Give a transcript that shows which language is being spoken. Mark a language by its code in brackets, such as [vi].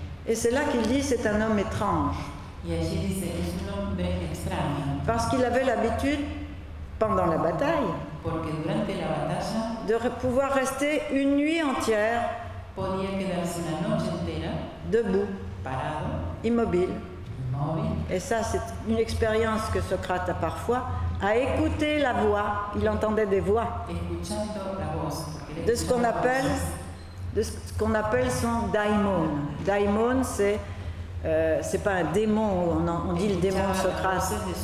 [fr] Et c'est là qu'il dit, c'est un homme étrange. [es] Y allí dice, es un hombre extraño. [fr] Parce qu'il avait l'habitude, pendant la bataille, [es] porque durante la batalla, [fr] de pouvoir rester une nuit entière, [es] podía quedarse una noche entera, [fr] debout, [es] parado, [fr] immobile. Immobile. Et ça, c'est une expérience que Socrate a parfois, à écouter la voix, il entendait des voix, [es] escuchando la voz, [fr] de ce qu'on appelle... de ce qu'on appelle son daimon. Daimon, c'est pas un démon, on dit le démon Socrate.